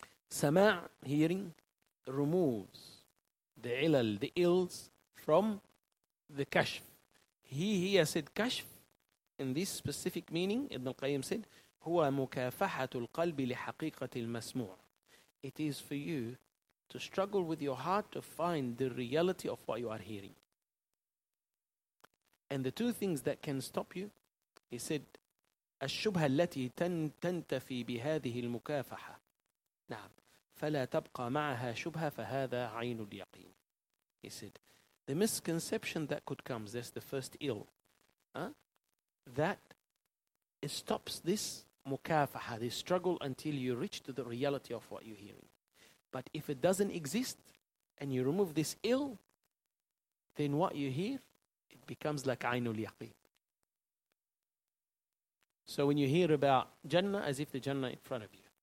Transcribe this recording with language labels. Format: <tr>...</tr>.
<en>Sama', hearing, removes the ilal, the ills, from the kashf. He said kashf, in this specific meaning, Ibn al-Qayyim said,</en> <ar>هُوَ مُكَافَحَةُ الْقَلْبِ لِحَقِيقَةِ الْمَسْمُوعِ.</ar> <en>It is for you to struggle with your heart to find the reality of what you are hearing. And the two things that can stop you, he said,</en> <ar>الشُبْهَ الَّتِي تَنْتَفِي بِهَذِهِ الْمُكَافَحَةِ نعم فَلَا تَبْقَى مَعَهَا شُبْهَ فَهَذَا عَيْنُ الْيَقِينِ.</ar> <en>He said, the misconception that could come, that's the first ill, that it stops this مُكَافَحَة, this struggle, until you reach to the reality of what you're hearing. But if it doesn't exist, and you remove this ill, then what you hear, becomes like Aynul Yaqeen. So when you hear about Jannah, as if the Jannah in front of you.</en>